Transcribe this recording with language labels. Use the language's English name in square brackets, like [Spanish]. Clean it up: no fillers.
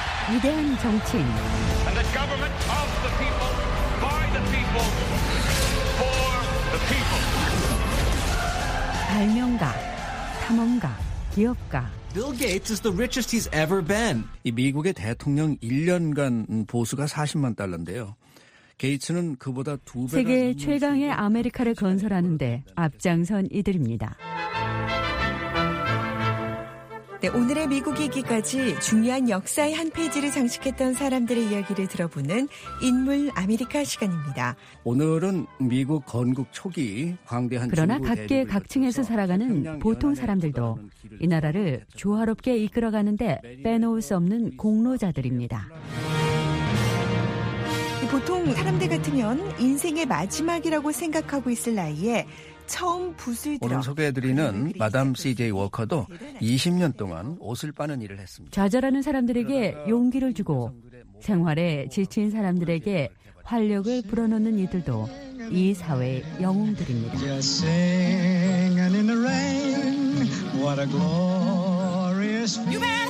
[Korean] 위대한 정치인, 발명가, 탐험가, 기업가, [English] Bill Gates is the richest he's ever been. [Korean] 이 미국의 대통령 1년간 보수가 40만 달러인데요. 게이츠는 그보다 두 배가 세계 최강의 아메리카를 건설하는데 앞장선 이들입니다. 네, 오늘의 미국 얘기까지 중요한 역사의 한 페이지를 장식했던 사람들의 이야기를 들어보는 인물 아메리카 시간입니다. 오늘은 미국 건국 초기 광대한 그러나 각계 각층에서 살아가는 보통 사람들도 이 나라를 조화롭게 이끌어가는데 빼놓을 수 없는 공로자들입니다. 보통 사람들 같으면 인생의 마지막이라고 생각하고 있을 나이에 처음 붓을 들어 오늘 소개해드리는 마담 CJ 워커도 20년 동안 옷을 빠는 일을 했습니다. 좌절하는 사람들에게 용기를 주고 생활에 지친 사람들에게 활력을 불어넣는 이들도 이 사회의 영웅들입니다. [English] Just singing in the rain, what a glorious view.